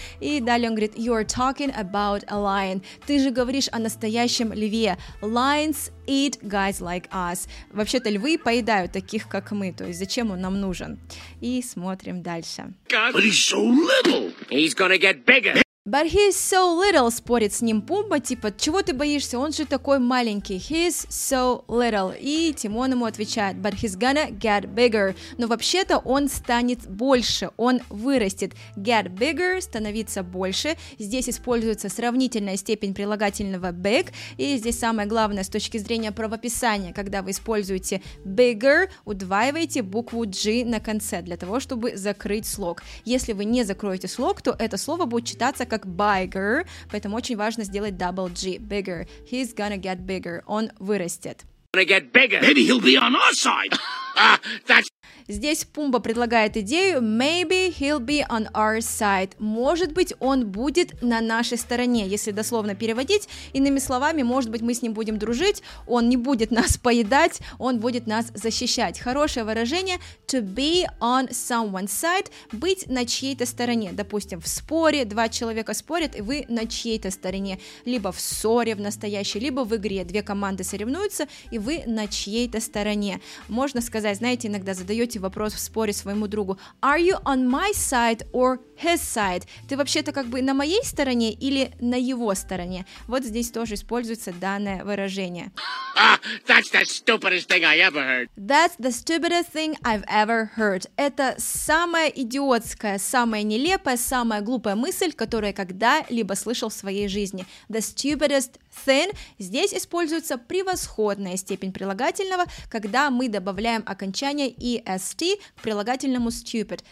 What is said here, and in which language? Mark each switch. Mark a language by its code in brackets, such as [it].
[ru] И далее он говорит, [en] you're talking about a lion. [ru] Ты же говоришь о настоящем льве. [en] Lions eat guys like us. [ru] Вообще-то львы поедают таких, как мы, то есть зачем он нам нужен? И смотрим дальше. [en] But he's so little. He's gonna get bigger. But he's so little, [ru] спорит с ним Пумба, типа, чего ты боишься, он же такой маленький. [en] He's so little. [ru] И Тимон ему отвечает, [en] but he's gonna get bigger. [ru] Но вообще-то он станет больше, он вырастет. [en] Get bigger, [ru] становиться больше. Здесь используется сравнительная степень прилагательного big. И здесь самое главное с точки зрения правописания, когда вы используете bigger, удваиваете букву G на конце, для того, чтобы закрыть слог. Если вы не закроете слог, то это слово будет читаться как bigger, поэтому очень важно сделать double G, bigger, [en] he's gonna get bigger, [ru] он вырастет. [en] Gonna get bigger. Maybe he'll be on our side. [ru] Здесь Пумба предлагает идею [en] maybe he'll be on our side. [ru] Может быть, он будет на нашей стороне, если дословно переводить. Иными словами, может быть, мы с ним будем дружить, он не будет нас поедать, он будет нас защищать. Хорошее выражение [en] to be on someone's side, [ru] быть на чьей-то стороне. Допустим, в споре два человека спорят, и вы на чьей-то стороне. Либо в ссоре в настоящей, либо в игре две команды соревнуются, и вы на чьей-то стороне. Можно сказать, знаете, иногда задаете вопрос в споре своему другу, [en] are you on my side or his side? [ru] Ты вообще-то как бы на моей стороне или на его стороне? Вот здесь тоже используется данное выражение. [en] That's the stupidest thing I ever heard. That's the stupidest thing I've ever heard. [ru] Это самая идиотская, самая нелепая, самая глупая мысль, которую я когда-либо слышал в своей жизни. [en] The stupidest thin. [ru] Здесь используется превосходная степень прилагательного, когда мы добавляем окончание est к прилагательному stupid.